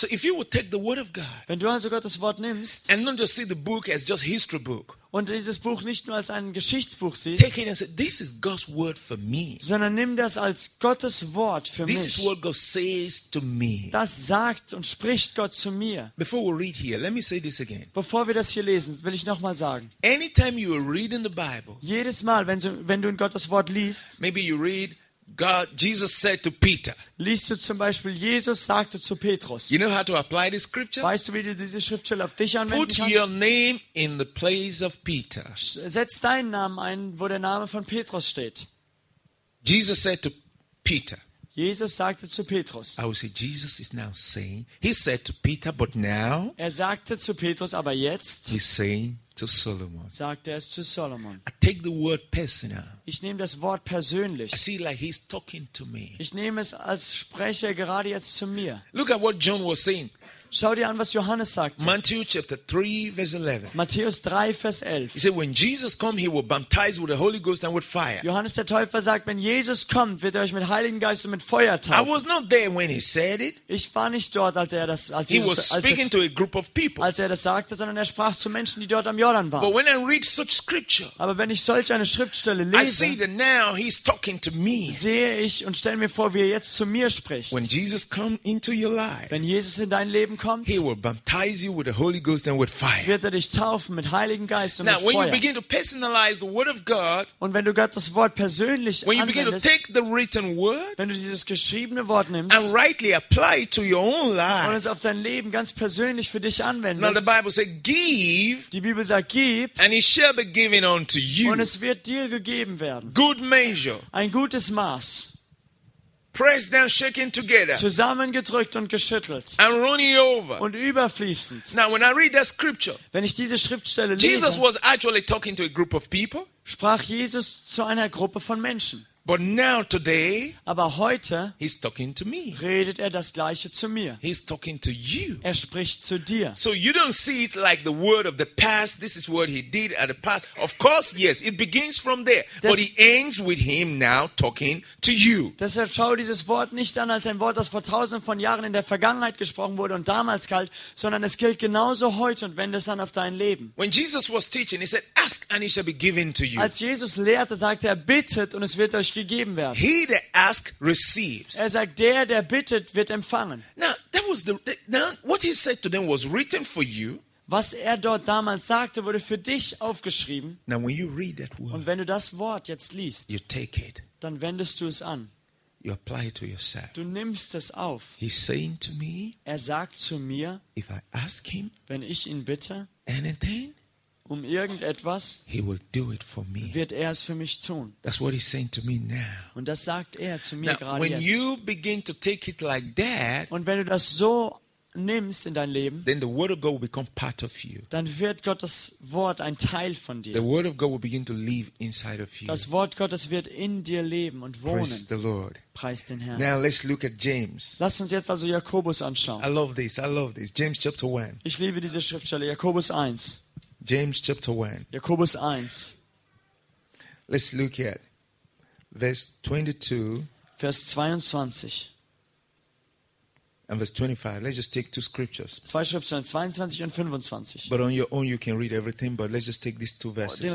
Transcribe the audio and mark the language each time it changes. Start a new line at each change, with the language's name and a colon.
English: So if you would take the word of God.
German: Wenn du also Gottes Wort nimmst.
English: And not just see the book as just history book.
German: Und dieses Buch nicht nur als ein Geschichtsbuch siehst.
English: Take it and say, this is God's word for me.
German: Sondern nimm das als Gottes Wort für
English: this
German: mich.
English: This is what God says to me.
German: Das sagt und spricht Gott zu mir.
English: Before we read here, let me say this again.
German: Bevor wir das hier lesen, will ich nochmal sagen.
English: Anytime you are reading the Bible.
German: Jedes Mal, wenn du in Gottes Wort liest.
English: Maybe you read God, Jesus said to Peter.
German: Liest du zum Beispiel, Jesus sagte zu Petrus.
English: You know how to apply this scripture?
German: Weißt du, wie du diese Schriftstelle auf dich anwenden
English: Put
German: kannst?
English: Put your name in the place of Peter.
German: Setz deinen Namen ein, wo der Name von Petrus steht.
English: Jesus said to Peter.
German: Jesus sagte zu Petrus.
English: I would say Jesus is now saying. He said to Peter, but now.
German: Er sagte zu Petrus, aber jetzt.
English: He's saying to Solomon.
German: Sagte es zu Solomon.
English: I take the word personal.
German: Ich nehme das Wort persönlich.
English: I see like he's talking to me.
German: Ich nehme es als spreche gerade jetzt zu mir.
English: Look at what John was saying.
German: Schau dir an, was Johannes sagt.
English: Matthew chapter 3 verse 11.
German: Matthäus 3 Vers 11.
English: He said when Jesus comes he will baptize with the Holy Ghost and with fire.
German: Johannes der Täufer sagt, wenn Jesus kommt, wird euch mit Heiligen Geist und mit Feuer taufen.
English: I was not there when he said it.
German: Ich war nicht dort, als er das als
English: He was speaking to a group of people.
German: Als er das sagte, sondern er sprach zu Menschen, die dort am Jordan waren.
English: But when I read such scripture.
German: Aber wenn ich solch eine Schriftstelle lese.
English: I see that now he's talking to me.
German: Sehe ich und stelle mir vor, wie er jetzt zu mir spricht.
English: When Jesus comes into your life.
German: Wenn Jesus in dein Leben kommt,
English: He will baptize you with the Holy Ghost and with fire.
German: Wird er dich taufen mit Heiligen Geist und
English: Now,
German: mit Feuer.
English: Now, when you begin to personalize the Word of God,
German: und wenn du Gottes Wort persönlich
English: when you begin to take the written word,
German: wenn du dieses geschriebene Wort nimmst,
English: and rightly apply it to your own life,
German: und es auf dein Leben ganz persönlich für dich anwendest.
English: Now, the Bible says, "Give."
German: Die Bibel sagt, gib.
English: And it shall be given unto you.
German: Und es wird dir gegeben werden.
English: Good measure.
German: Ein gutes Maß.
English: Pressed down, shaken together.
German: Zusammengedrückt und geschüttelt.
English: And running over.
German: Und überfließend.
English: Now, when I read that scripture,
German: wenn ich diese Schriftstelle lese,
English: Jesus was actually talking to a group of people.
German: Sprach Jesus zu einer Gruppe von Menschen.
English: But now today,
German: aber heute,
English: he's talking to me.
German: Redet er das Gleiche zu mir.
English: He's talking to you.
German: Er spricht zu dir.
English: So you don't see it like the word of the past. This is what he did at the past. Of course, yes, it begins from there, but it ends with him now talking to you.
German: Deshalb schau dieses Wort nicht an als ein Wort, das vor tausenden von Jahren in der Vergangenheit gesprochen wurde und damals galt, sondern es gilt genauso heute und wendet es an auf dein Leben.
English: When Jesus was teaching, he said, "Ask and it shall be given to you."
German: Als Jesus lehrte, sagte er, bittet und es wird euch gegeben werden.
English: He that ask receives.
German: Er sagt, der bittet, wird empfangen.
English: Now, that was what he said to them was written for you.
German: Was er dort damals sagte, wurde für dich aufgeschrieben.
English: Now, when you read that word,
German: und wenn du das Wort jetzt liest,
English: you take it.
German: Dann wendest du es an.
English: You apply it to yourself.
German: Du nimmst es auf.
English: He's saying to me,
German: er sagt zu mir,
English: if I ask him,
German: wenn ich ihn bitte,
English: anything,
German: um irgendetwas,
English: he will do it for me.
German: Wird er es für mich tun.
English: That's what he's saying to me now.
German: Und das sagt er zu mir
English: now,
German: gerade
English: when
German: jetzt.
English: You begin to take it like that,
German: und wenn du das so nimmst in dein Leben,
English: then the word of God will become part of you.
German: Dann wird Gottes Wort ein Teil von dir.
English: The word of God will begin to live inside of you.
German: Das Wort Gottes wird in dir leben und wohnen.
English: Praise the Lord.
German: Preis den Herrn.
English: Now let's look at James.
German: Lass uns jetzt also Jakobus anschauen.
English: I love this. I love this. James chapter 1.
German: Ich liebe diese Schriftstelle Jakobus 1.
English: James chapter 1.
German: Jakobus 1.
English: Let's look at verse 22.
German: Vers 22.
English: And verse 25. Let's just take two scriptures.
German: Zwei Schriftstellen, 22 und 25.
English: But on your own you can read everything, but let's just take these two verses.